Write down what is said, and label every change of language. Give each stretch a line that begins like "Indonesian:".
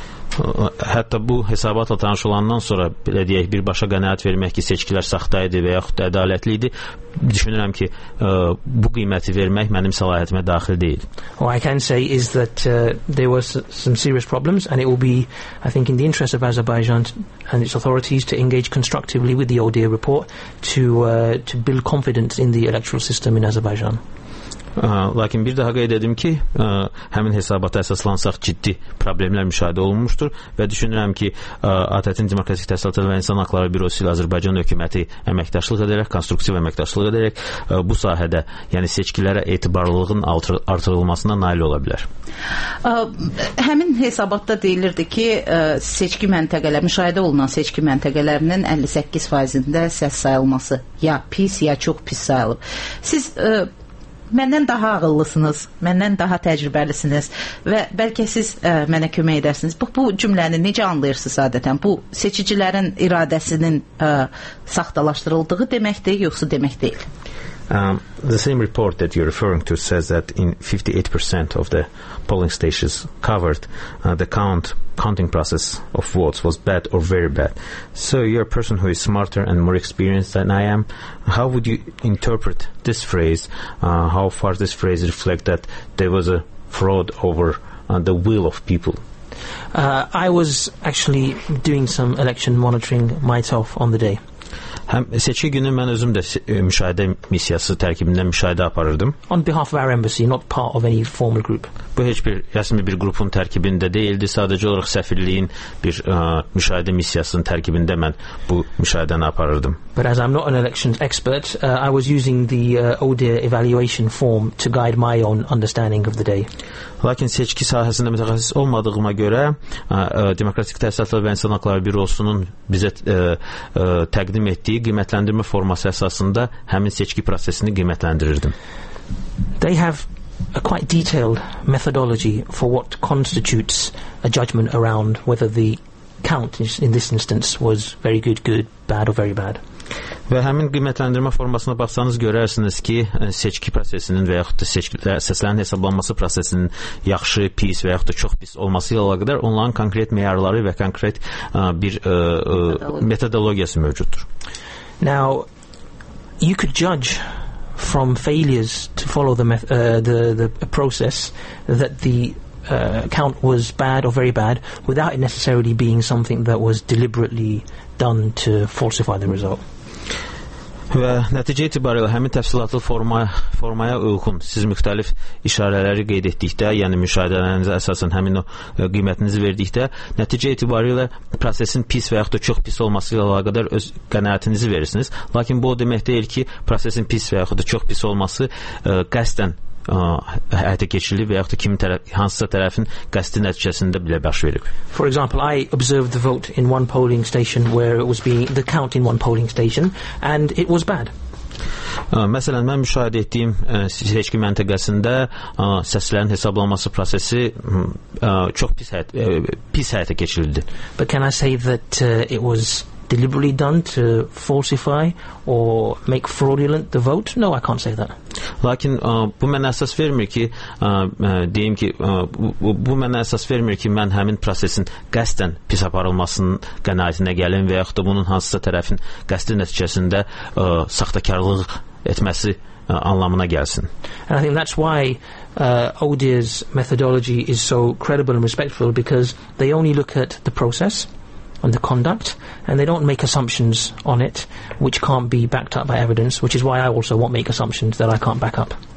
Azerbaijani: Hətta bu hesabatla tanış olandan sonra belə deyək, birbaşa qənaət vermək ki, seçkilər saxtaydı və yaxud da ədalətli idi, düşünürəm ki, bu qiyməti vermək mənim səlahiyyətimə daxil deyil.
English: What I can say is that there were some serious problems and it will be, I think, in the interest of Azerbaijan and its authorities to engage constructively with the ODIHR report to build confidence in the electoral system in Azerbaijan.
Azerbaijani: Lakin bir daha qeyd edim ki, həmin hesabata əsaslansaq ciddi problemlər müşahidə olunmuşdur və düşünürəm ki, ATƏT-in Demokratik Təsərrüfatlar və İnsan Hüquqları Bürosu ilə Azərbaycan hökuməti əməkdaşlıq edərək, konstruktiv əməkdaşlıq edərək bu sahədə, yəni seçkilərə etibarlılığın artırılmasına nail ola bilər. Həmin hesabatda deyilirdi ki, seçki məntəqələr, müşahidə olunan seçki məntəqələrinin 58%-ində səs sayılması ya pis, ya çox pis sayılıb. Siz məndən daha ağıllısınız, məndən daha təcrübəlisiniz və bəlkə siz mənə kömək edərsiniz. Bu cümləni necə anlayırsınız adətən? Bu seçicilərin iradəsinin saxtalaşdırıldığı deməkdir, yoxsa demək deyil?
English: The same report that you're referring to says that in 58% of the polling stations covered, the counting process of votes was bad or very bad. So you're a person who is smarter and more experienced than I am. How would you interpret this phrase? How far this phrase reflect that there was a fraud over the will of people? I was actually doing some election monitoring myself on the day.
Azerbaijani: Həm seçki günü mən özüm də müşahidə missiyası tərkibində müşahidə aparırdım.
English: On behalf of our embassy, not part of any formal group.
Azerbaijani: Bu heç bir rəsmi bir qrupun tərkibində deyildi, sadəcə olaraq səfirliyin bir müşahidə missiyasının tərkibində mən bu müşahidəni aparırdım.
English: But as I'm not an elections expert, I was using the ODIHR evaluation form to guide my own understanding of the day.
Azerbaijani: Lakin seçki sahəsində mütəxəssis olmadığıma görə, Demokratik Təsərrüfatlar və İnsan Hüquqları Bürosunun bizə təqdim etdiyi qiymətləndirmə forması əsasında həmin seçki prosesini qiymətləndirirdim.
English: They have a quite detailed methodology for what constitutes a judgment around whether the count in this instance was very good, good, bad or very bad.
Azerbaijani: Və həmin qiymətləndirmə formasına baxsanız görərsiniz ki, seçki prosesinin və yaxud da səslərin hesablanması prosesinin yaxşı, pis və yaxud da çox pis olması ilə əlaqədar onların konkret meyarları və konkret bir metodologiyası mövcuddur.
English: Now, you could judge from failures to follow the process that the count was bad or very bad without it necessarily being something that was deliberately done to falsify the result.
Azerbaijani: Və nəticə itibarilə həmin təfsilatlı formaya uyğun siz müxtəlif işarələri qeyd etdikdə, yəni müşahidələrinizə əsasən həmin o qiymətinizi verdikdə, nəticə itibarilə prosesin pis və yaxud da çox pis olması ilə əlaqədar öz qənaətinizi verirsiniz. Lakin bu o demək deyil ki, prosesin pis və yaxud da çox pis olması qəsdən həyata keçirilib və yaxud da hansısa tərəfin qəsdi nəticəsində bilə baş verib.
English: For example, I observed the vote in one polling station where it was being the count in one polling station and it was bad.
Azerbaijani: Məsələn, mən müşahidə etdiyim seçki məntəqəsində səslərin hesablanması prosesi çox pis həyata keçirildi.
English: But can I say that it was deliberately done to falsify or make fraudulent the vote? No, I can't say that.
Azerbaijani: Lakin bu mənə əsas vermir ki, deyim ki, bu mənə əsas vermir ki, mən həmin prosesin qəsdən pis aparılmasının qənaətinə gəlim və yaxud da bunun hansısa tərəfin qəsdi nəticəsində saxtakarlıq etməsi anlamına gəlsin.
English: And I think that's why ODIHR's methodology is so credible and respectful, because they only look at the process and the conduct, and they don't make assumptions on it which can't be backed up by evidence, which is why I also won't make assumptions that I can't back up.